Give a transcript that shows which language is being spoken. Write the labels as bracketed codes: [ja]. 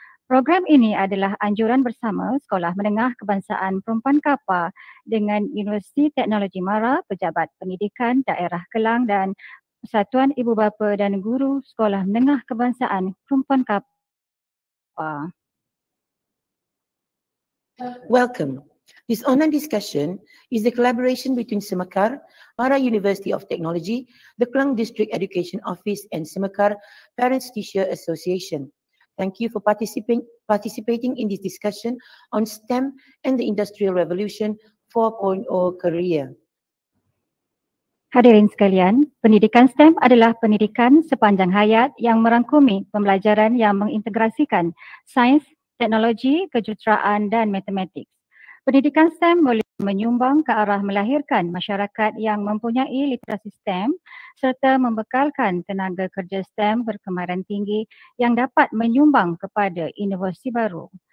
[ms] Program ini adalah anjuran bersama Sekolah Menengah Kebangsaan Perempuan Kapah dengan Universiti Teknologi MARA, Pejabat Pendidikan Daerah Kelang dan Persatuan Ibu Bapa dan Guru Sekolah Menengah Kebangsaan Perempuan Kapah. [en] Welcome. This online discussion is a collaboration between Semekar, MARA University of Technology, the Kelang District Education Office and Semekar Parents Teacher Association. Thank you for participating in this discussion on STEM and the Industrial Revolution 4.0 career. [ms] Hadirin sekalian, pendidikan STEM adalah pendidikan sepanjang hayat yang merangkumi pembelajaran yang mengintegrasikan sains, teknologi, kejuruteraan dan matematik. Pendidikan STEM boleh menyumbang ke arah melahirkan masyarakat yang mempunyai literasi STEM serta membekalkan tenaga kerja STEM berkemahiran tinggi yang dapat menyumbang kepada inovasi baru.